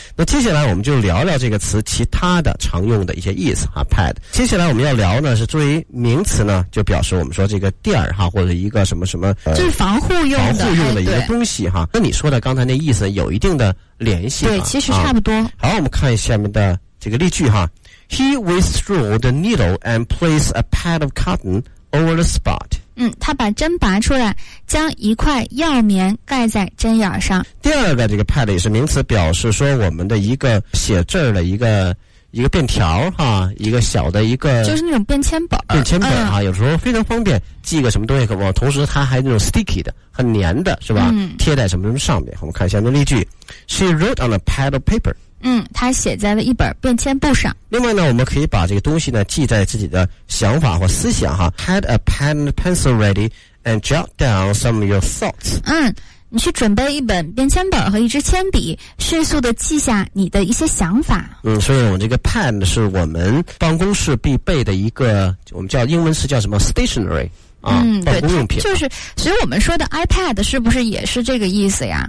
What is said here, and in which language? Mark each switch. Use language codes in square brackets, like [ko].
[zh] 那接下来我们就聊聊这个词其他的常用的一些意思啊 ，pad。接下来我们要聊呢是作为名词呢，就表示我们说这个垫儿哈，或者一个什么什么，就是防护用的，防护用的一个东西哈。那你说的刚才那意思有一定的联系，对，其实差不多、啊。好，我们看下面的这个例句哈。 [en] He withdrew the needle and placed a pad of cotton over the spot. [zh] 嗯，他把针拔出来，将一块药棉盖在针眼上。第二个这个 pad 也是名词，表示说我们的一个写字的一个便条哈，一个小的一个，就是那种便签本。便签本啊、嗯，有时候非常方便，记个什么东西可不？同时它还那种 sticky 的，很粘的，是吧？嗯、贴在什么什么上面。我们看一下那例句 ： [en] She wrote on a pad of paper. [zh] 嗯，他写在了一本便签簿上。另外呢，我们可以把这个东西呢记在自己的想法或思想哈。 [en] Had a pen and pencil ready and jot down some of your thoughts。 [zh] 嗯，你去准备一本便签本和一支铅笔，迅速的记下你的一些想法。嗯，所以我们这个 pen 是我们办公室必备的一个，我们叫英文是叫什么 stationery。嗯，对，办公用品就是，所以我们说的 iPad 是不是也是这个意思呀？